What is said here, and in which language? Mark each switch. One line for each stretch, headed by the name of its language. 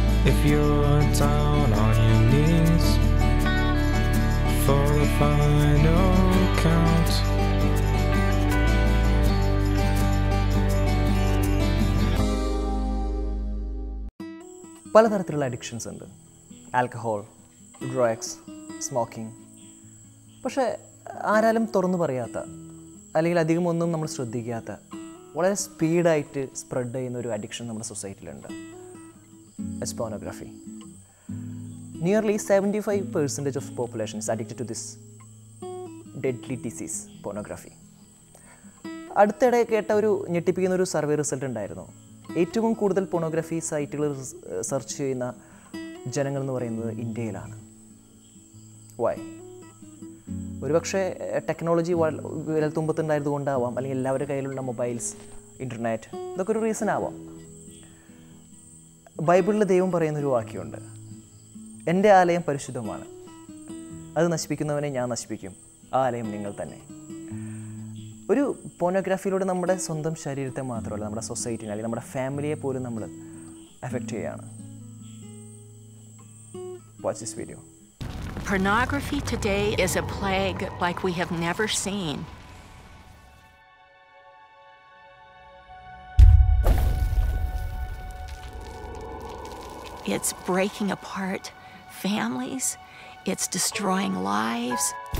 English: If you're down on your knees for the final count,
Malayalam: പല തരത്തിലുള്ള addictions ഉണ്ട്. Alcohol, drugs, smoking. പക്ഷേ ആരാലും തുറന്നു പറയാത്ത അല്ലെങ്കിൽ അധികമൊന്നും നമ്മൾ ശ്രദ്ധിക്കാത്ത വളരെ സ്പീഡായിട്ട് സ്പ്രെഡ് ചെയ്യുന്ന ഒരു അഡിക്ഷൻ നമ്മുടെ സൊസൈറ്റിയിലുണ്ട്,
English: It's pornography. Nearly 75% of population is addicted to this deadly disease, pornography.
Malayalam: അടുത്തിടെ കേട്ട ഒരു ഞെട്ടിപ്പിക്കുന്ന ഒരു സർവേ റിസൾട്ട് ഉണ്ടായിരുന്നു. ഏറ്റവും കൂടുതൽ പോർണോഗ്രാഫി സൈറ്റുകൾ സെർച്ച് ചെയ്യുന്ന ജനങ്ങൾ എന്ന് പറയുന്നത് ഇന്ത്യയിലാണ്. വൈ? ഒരുപക്ഷെ ടെക്നോളജി വിരൽത്തുമ്പത്തുണ്ടായത് കൊണ്ടാവാം, അല്ലെങ്കിൽ എല്ലാവരുടെ കയ്യിലുള്ള മൊബൈൽസ്, ഇൻ്റർനെറ്റ്, ഇതൊക്കെ ഒരു റീസൺ ആവാം. ബൈബിളിൽ ദൈവം പറയുന്നൊരു വാക്യമുണ്ട്, എൻ്റെ ആലയം പരിശുദ്ധമാണ്, അത് നശിപ്പിക്കുന്നവനെ ഞാൻ നശിപ്പിക്കും, ആ ആലയം നിങ്ങൾ തന്നെ. ഒരു പോർണോഗ്രാഫിയിലൂടെ നമ്മുടെ സ്വന്തം ശരീരത്തെ മാത്രമല്ല, നമ്മുടെ സൊസൈറ്റിനെ അല്ലെങ്കിൽ നമ്മുടെ ഫാമിലിയെ പോലും നമ്മൾ എഫക്റ്റ് ചെയ്യുകയാണ്.
English: Watch this video. Pornography today is a plague like we have never seen. It's breaking apart families. It's destroying lives.